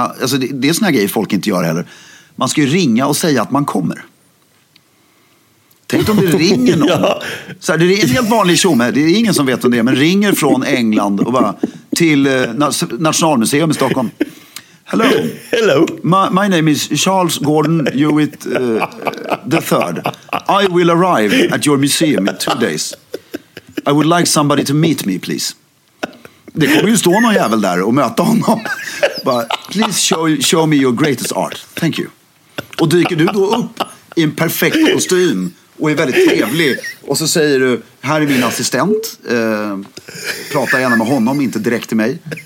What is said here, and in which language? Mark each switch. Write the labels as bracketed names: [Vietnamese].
[Swedish] Alltså det är såna grejer folk inte gör heller. Man ska ju ringa och säga att man kommer. Tänk om det ringer någon. Så här, det är en helt vanlig show med. Det är ingen som vet om det är, men ringer från England och bara till Nationalmuseum i Stockholm. [English] Hello. Hello. My name is Charles Gordon Hewitt the third. I will arrive at your museum in 2 days. I would like somebody to meet me, please. [Swedish] Det kommer ju stå någon jävel där och möta honom. [English] But please show me your greatest art. Thank you. [Swedish] Och dyker du då upp i en perfekt kostym och är väldigt trevlig. Och så säger du, här är min assistent. Prata gärna med honom, inte direkt till mig.